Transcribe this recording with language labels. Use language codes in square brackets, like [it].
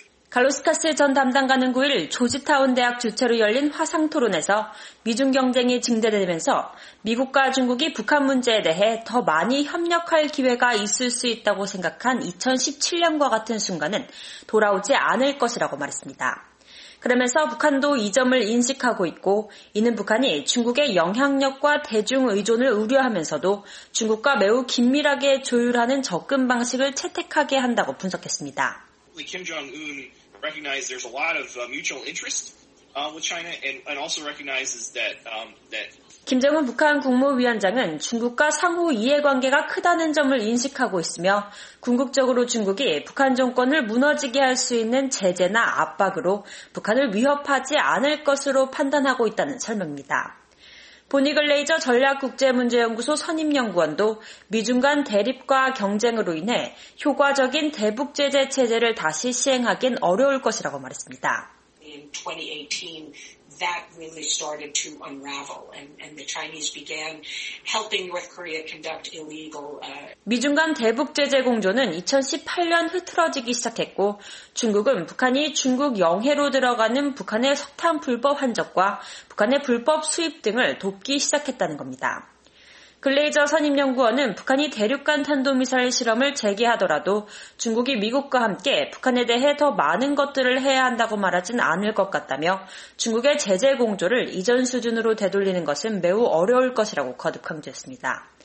[ko] 갈로스카스 전 담당관은 9일 조지타운 대학 주최로 열린 화상 토론에서 미중 경쟁이 증대되면서 미국과 중국이 북한 문제에 대해 더 많이 협력할 기회가 있을 수 있다고 생각한 2017년과 같은 순간은 돌아오지 않을 것이라고 말했습니다. 그러면서 북한도 이 점을 인식하고 있고 이는 북한이 중국의 영향력과 대중 의존을 우려하면서도 중국과 매우 긴밀하게 조율하는 접근 방식을 채택하게 한다고 분석했습니다. [en] Kim Jong-un recognizes there's a lot of mutual interest with China and also recognizes that that [ko] 김정은 북한 국무위원장은 중국과 상호 이해관계가 크다는 점을 인식하고 있으며 궁극적으로 중국이 북한 정권을 무너지게 할 수 있는 제재나 압박으로 북한을 위협하지 않을 것으로 판단하고 있다는 설명입니다. 보니 글레이저 전략국제문제연구소 선임연구원도 미중 간 대립과 경쟁으로 인해 효과적인 대북 제재 체제를 다시 시행하긴 어려울 것이라고 말했습니다. [en] That really started to unravel, and the Chinese began helping North Korea conduct illegal. [ko] 미중 간 대북 제재 공조는 2018년 흐트러지기 시작했고, 중국은 북한이 중국 영해로 들어가는 북한의 석탄 불법 환적과 북한의 불법 수입 등을 돕기 시작했다는 겁니다. 글레이저 선임연구원은 북한이 대륙간 탄도미사일 실험을 재개하더라도 중국이 미국과 함께 북한에 대해 더 많은 것들을 해야 한다고 말하진 않을 것 같다며 중국의 제재 공조를 이전 수준으로 되돌리는 것은 매우 어려울 것이라고 거듭 강조했습니다.